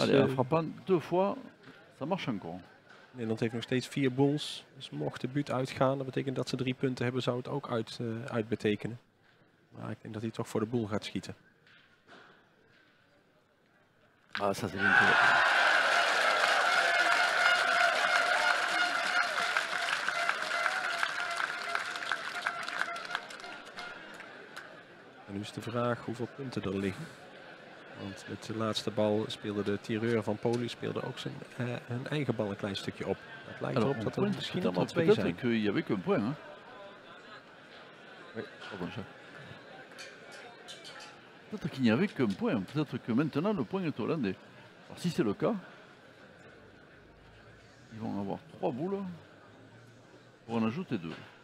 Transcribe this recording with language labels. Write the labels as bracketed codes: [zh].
[fr] Allez, en frappant deux fois, ça marche encore. [nl] Nederland heeft nog steeds 4 boules. Dus mocht de but uitgaan, dat betekent dat ze 3 punten hebben, zou het ook uit betekenen. Maar ik denk dat hij toch voor de boel gaat schieten. [fr] Ah, ça c'est bien tiré. [nl] En nu is de vraag hoeveel punten er liggen. Want het laatste bal speelde de tireur van Polen, speelde ook zijn hun eigen bal een klein stukje op. Het lijkt erop dat er misschien nog twee zijn. [fr] Peut-être qu'il y avait qu'un point, hein? Oui, pardon, ça. Peut-être qu'il n'y avait qu'un point, peut-être que maintenant le point est hollandais. Alors si c'est le cas, ils vont avoir trois boules pour en ajouter deux.